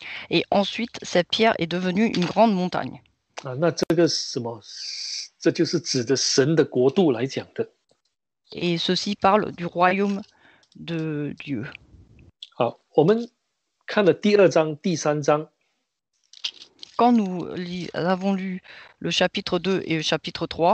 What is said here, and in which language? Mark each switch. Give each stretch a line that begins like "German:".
French: Et ensuite, cette pierre est devenue une grande montagne.
Chinese: 那这个什么，这就是指的神的国度来讲的。
French: Et ceci parle du royaume de Dieu.
Chinese: 好，我们看了第二章、第三章。
French: Quand nous avons lu le chapitre 2 et le chapitre